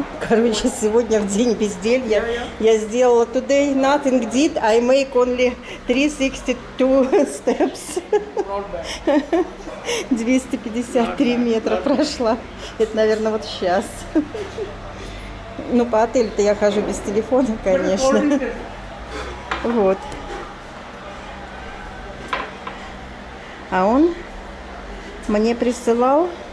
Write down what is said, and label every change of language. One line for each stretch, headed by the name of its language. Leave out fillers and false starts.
Russian: Короче, сегодня в день безделья. Я сделала
English: today nothing did, I make only 362 steps.
Russian: 253 метра прошла. Это, наверное, вот сейчас. Ну, по отелю-то я хожу без телефона, конечно. Вот. А он мне присылал...